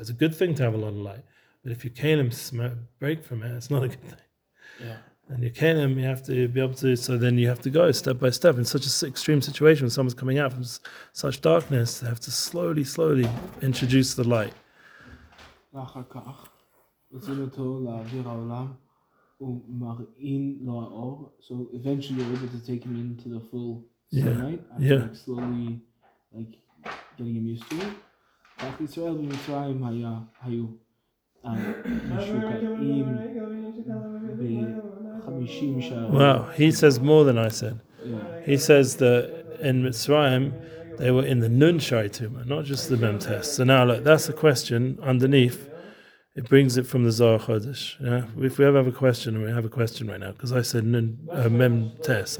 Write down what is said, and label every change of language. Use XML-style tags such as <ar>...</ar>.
<en>It's a good thing to have a lot of light. But if your Canaan break from it, it's not a good thing. Yeah. And your Canaan, you have to be able to, so then you have to go step by step in such an extreme situation when someone's coming out from such darkness, they have to slowly, slowly introduce the light.</en> <he>ואחר כך, רצים אותו לאוויר העולם, ומראים לו האור.</he> <en>So eventually you're able to take him into the full sunlight. Yeah. Yeah. Like slowly, like, getting him used to it.</en> <he>ואחר ישראל במצרים היו משוקעים ב-50 שערים.</he> <en>Wow, he says more than I said. Yeah. He says that in Mitzrayim, they were in the Nun Shari Tumah, not just the Mem Test. So now, look, that's a question underneath. It brings it from the Zohar Chodesh. Yeah? If we ever have a question, and we have a question right now, because I said Mem Test.</en>